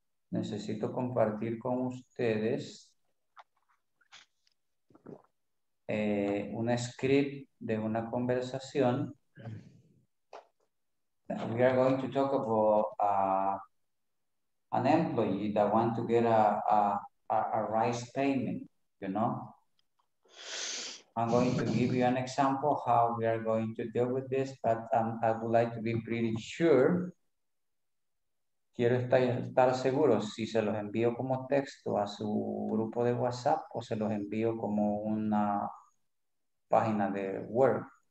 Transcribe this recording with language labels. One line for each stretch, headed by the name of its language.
Spanish: Necesito compartir con ustedes un script de una conversación.
English: We are going to talk about an employee that wants to get a rise payment, you know? I'm going to give you an example how we are going to deal with this, but I would like to be pretty sure.
Spanish: Quiero estar seguro si se los envío como texto a su grupo de WhatsApp o se los envío como una página de Word.